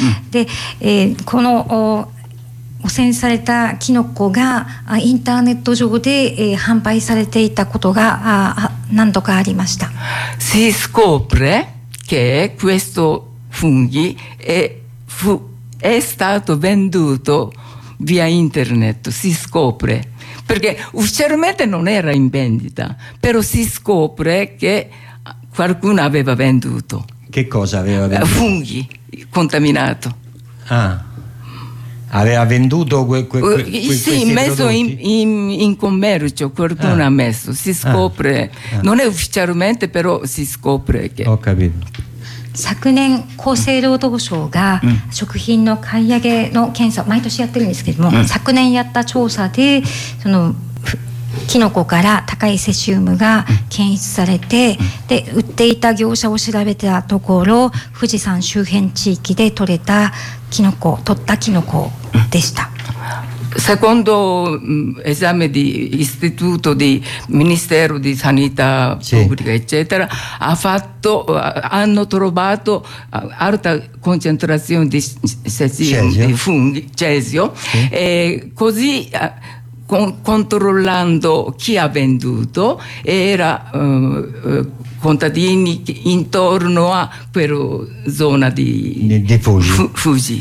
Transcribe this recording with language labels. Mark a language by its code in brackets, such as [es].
[ja] で、この汚染されたキノコがインターネット上で販売されていたことが何度かありました。 [it] Si scopre che questo funghi è stato venduto via internet. Si scopre. Perché ufficialmente non era in vendita, però si scopre che qualcuno aveva venduto. Che cosa aveva venduto? Funghi contaminato. Ah, aveva venduto questi prodotti? Sì, messo in commercio, qualcuno ha messo. Si scopre, non è ufficialmente, però si scopre che... Ho capito. [ja] 昨年厚生労働省が食品の買い上げの検査毎年やってるんですけども、昨年やった調査でそのキノコから高いセシウムが検出されて、で売っていた業者を調べたところ、富士山周辺地域で取れたキノコ、取ったキノコでした。 [it] Secondo esame di istituto di Ministero di Sanità Pubblica, sì, eccetera, hanno trovato alta concentrazione di funghi, cesio, sì, e così controllando chi ha venduto, era contadini intorno a quella zona di Fuji.